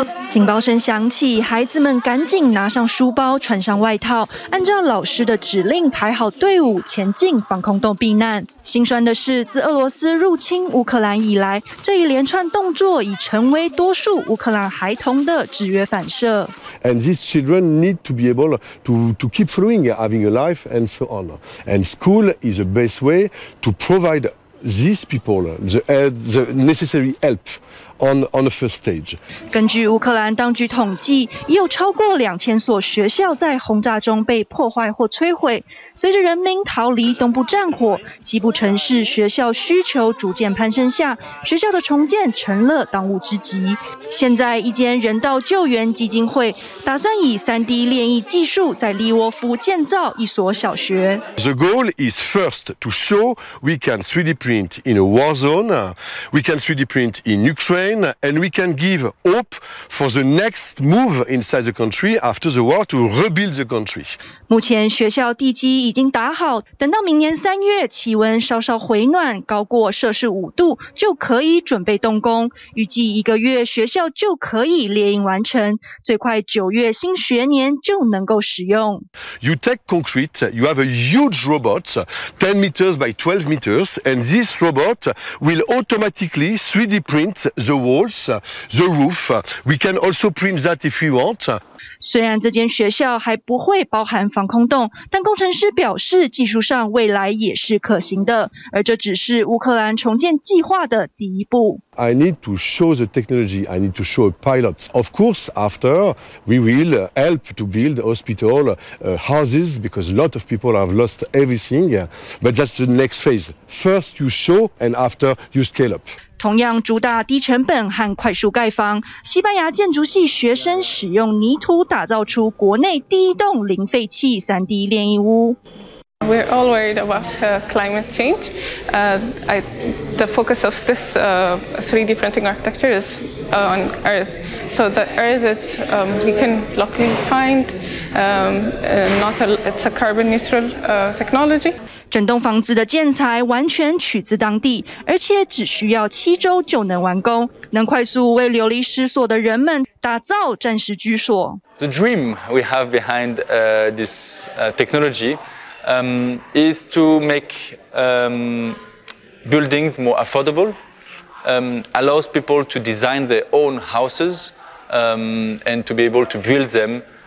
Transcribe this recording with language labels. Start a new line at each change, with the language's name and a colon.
Chinese: 警报声响起，孩子们赶紧拿上书包，穿上外套，按照老师的指令排好队伍前进防空洞避难。心酸的是，自俄罗斯入侵乌克兰以来，这一连串动作已成为多数乌克兰孩童的直觉反射。
English: And these children need to be able to keep flowing, having a life, and so on. And school is the best way to provide these people the necessary help. On the first stage.
Chinese: 根据乌克兰当局统计，已有超过2000所学校在轰炸中被破坏或摧毁。随着人民逃离东部战火，西部城市学校需求逐渐攀升下，学校的重建成了当务之急。现在，一间人道救援基金会打算以 3D 列印技术在利沃夫建造一所小学。
English: The goal is first to show we can 3D print in a war zone, we can 3D print in Ukraine. And we can give hope for the next move inside the country after the war to rebuild the country.
Chinese: 目前学校地基已经打好，等到明年三月气温稍稍回暖，高过摄氏5度，就可以准备动工。预计一个月学校就可以列印完成，最快9月新学年就能够使用。
English: You take concrete, you have a huge robot, 10 meters by 12 meters, and this robot will automatically 3D print. The walls, the roof. We can also print that if we want.
Chinese: 虽然这间学校还不会包含防空洞，但工程师表示技术上未来也是可行的，而这只是乌克兰重建计划的第一步。
English: I need to show the technology. I need to show a pilot. Of course, after we will help to build hospital houses because a lot of people have lost everything. But that's the next phase. First, you show, and after you scale up.
Chinese: 同样主打低成本和快速盖房，西班牙建筑系学生使用泥土打造出国内第一栋零废弃 3D 炼印屋。
English: We're all worried about climate change. The focus of this 3D printing architecture is on Earth. So the Earth is we can locally find. It's a carbon neutral technology.
Chinese: 整栋房子的建材完全取自当地，而且只需要7周就能完工，能快速为流离失所的人们打造暂时居所。
English: The dream we have behind this technology is to make buildings more affordable, allows people to design their own houses and to be able to build them.